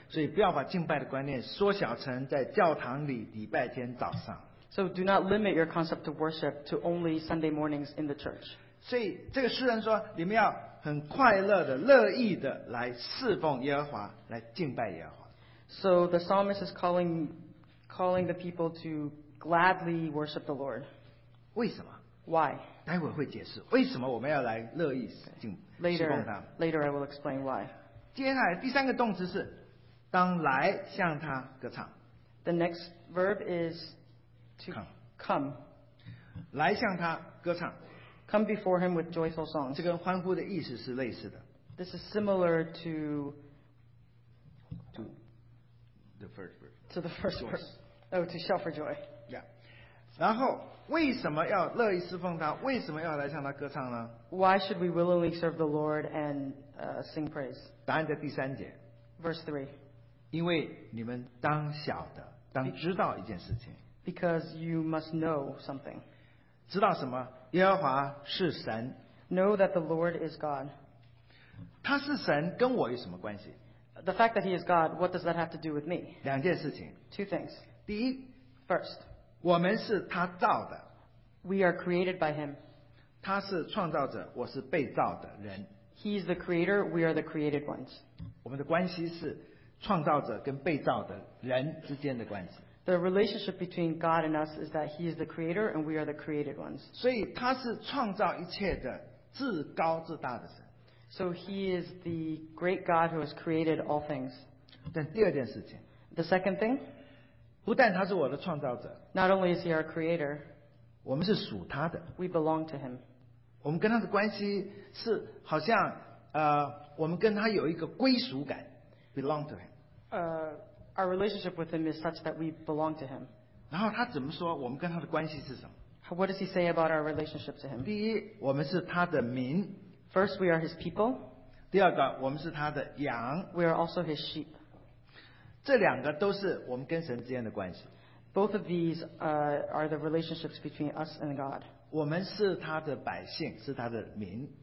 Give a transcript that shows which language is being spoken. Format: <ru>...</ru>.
<zh>所以不要把敬拜的观念缩小成在教堂里礼拜天早上，</zh> <en>so do not limit your concept of worship to only Sunday mornings in the church。</en> <zh>所以这个诗人说你们要很快乐的乐意的来侍奉耶和华，来敬拜耶和华。</zh> <en>So the psalmist is calling the people to gladly worship the Lord.</en> <zh>为什么？</zh> <en>Why?</en> <zh>待会会解释为什么我们要来乐意敬侍奉他。</zh> <en>Later I will explain why.</en> <zh>接下来第三个动词是当来向他歌唱。</zh> <en>The next verb is to come.</en> <zh>来向他歌唱。</zh> <en>Come before him with joyful songs.</en> <zh>这跟欢呼的意思是类似的。</zh> <en>This is similar to the first verse. To the first verse. Oh, to shout for joy. Yeah.</en> <zh>然后为什么要乐意侍奉他？为什么要来向他歌唱呢？</zh> <en>Why should we willingly serve the Lord and sing praise?</en> <zh>答案在第三节。</zh> <en>Verse 3.</en> <zh>因为你们当晓得，当知道一件事情。</zh> <en>Because you must know something.</en> <zh>知道什么？耶和华是神。</zh> <en>Know that the Lord is God.</en> <zh>他是神，跟我有什么关系？</zh> <en>The fact that He is God, what does that have to do with me?</en> <zh>两件事情。</zh> <en>Two things.</en> <zh>第一</zh> <en>，First，</en> <zh>我们是他造的。</zh> <en>We are created by Him.</en> <zh>他是创造者，我是被造的人。</zh> <en>He is the Creator. We are the created ones.</en> <zh>我们的关系是创造者跟被造的人之间的关系。</zh> <en>The relationship between God and us is that He is the Creator and we are the created ones.</en> <zh>所以他是创造一切的至高至大的神。</zh> <en>So He is the great God who has created all things.</en> <zh>但第二件事情。</zh> <en>The second thing.</en> <zh>不但他是我的创造者，</zh> <en>not only is he our creator，</en> <zh>我们是属他的，</zh> <en>we belong to him，</en> <zh>我们跟他的关系是好像我们跟他有一个归属感，</zh> <en>belong to him， our relationship with him is such that we belong to him。</en> <zh>然后他怎么说我们跟他的关系是什么？</zh> <en>What does he say about our relationship to him？</en> <zh>第一，我们是他的民。</zh> <en>First, we are his people。</en> <zh>第二个，我们是他的羊。</zh> <en>We are also his sheep。</en> <zh>这两个都是我们跟神之间的关系。</zh> <en>Both of these are the relationships between us and God。</en> <zh>我们是他的百姓，是他的民。</zh>